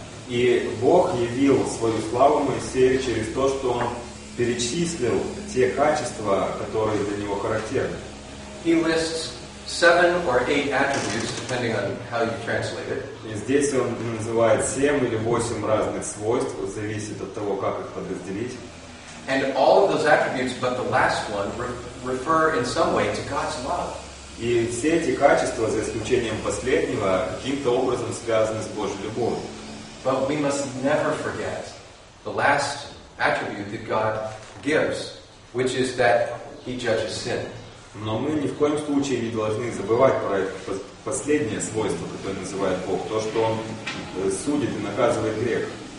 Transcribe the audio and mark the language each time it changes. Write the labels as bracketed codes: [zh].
[ru] И Бог явил свою славу Моисею через то, что он перечислил те качества, которые для него характерны. [en] He lists 7 or 8 attributes, depending on how you translate it. [ru] И здесь он называет 7 или 8 разных свойств, зависит от того, как их подразделить. [en] And all of those attributes, but the last one, refer in some way to God's love. [ru] И все эти качества, за исключением последнего, каким-то образом связаны с Божьей любовью. [en] But we must never forget the last attribute that God gives, which is that He judges sin. [ru] Но мы ни в коем случае не должны забывать про последнее свойство, которое называет Бог, то, что Он судит и наказывает грех.